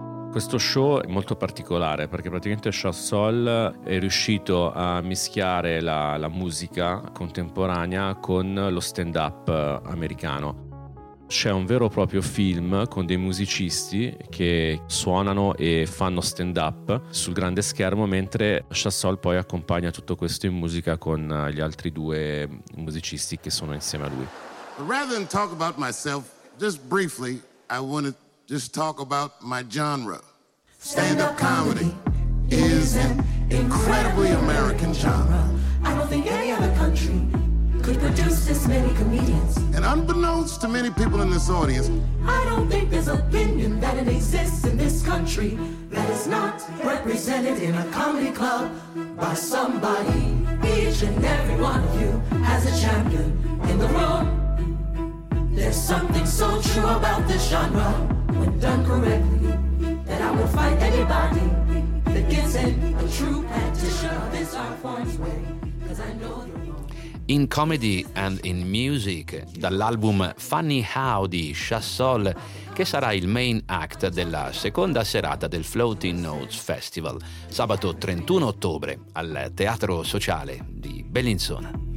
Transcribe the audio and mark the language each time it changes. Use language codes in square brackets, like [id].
[it] Questo show è molto particolare perché praticamente Chassol è riuscito a mischiare la musica contemporanea con lo stand-up americano. C'è un vero e proprio film con dei musicisti che suonano e fanno stand up sul grande schermo, mentre Chassol poi accompagna tutto questo in musica con gli altri due musicisti che sono insieme a lui. [en] Rather than talk about myself, just briefly, I want to just talk about my genre. Stand up comedy is an incredibly American genre. I don't think any other country could produce this many comedians. And unbeknownst to many people in this audience, I don't think there's opinion that it exists in this country that is not represented in a comedy club by somebody. Each and every one of you has a champion in the room. There's something so true about this genre, when done correctly, that I will fight anybody that gives it a true practitioner of this art form's way, 'cause I know you're. [it] In Comedy and in Music, dall'album Funny How di Chassol, che sarà il main act della seconda serata del Floating Notes Festival, sabato 31 ottobre al Teatro Sociale di Bellinzona.